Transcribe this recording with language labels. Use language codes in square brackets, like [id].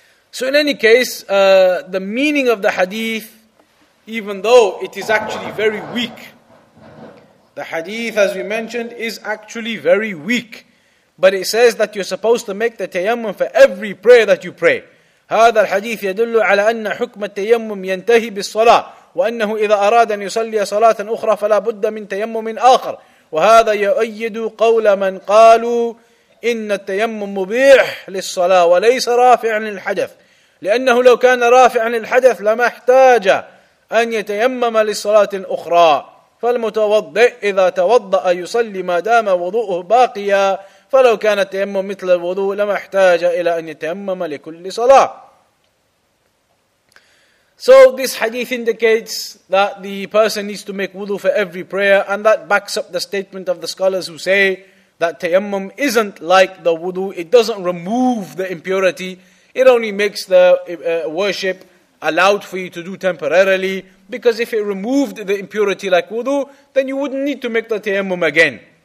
[en] So in any case, the meaning of the hadith, even though it is actually very weak, the hadith, as we mentioned, is actually very weak. But it says that you're supposed to make the tayammum for every prayer that you pray. [ar] هذا الحديث يدل على أن حكم التيمم ينتهي بالصلاة وأنه إذا أراد أن يصلي صلاة أخرى فلا بد من تيمم آخر وهذا يؤيد قول من قالوا إن التيمم مبيح للصلاة وليس رافعا للحدث لأنه لو كان رافعا للحدث لما احتاج أن يتيمم للصلاة أخرى فالمتوضئ إذا توضأ يصلي ما دام وضوءه باقيا فَلَوْ كَانَ التَّيَمُّمْ مِثْلَ الْوُضُوءُ لَمَا احْتَاجَ إِلَىٰ أَنْ يَتَيَمَّمَ لِكُلِّ صَلَاةِ. [en] So this hadith indicates that the person needs to make wudu for every prayer, and that backs up the statement of the scholars who say that tayammum isn't like the wudu. It doesn't remove the impurity. It only makes the worship allowed for you to do temporarily, because if it removed the impurity like wudu, then you wouldn't need to make the tayammum again.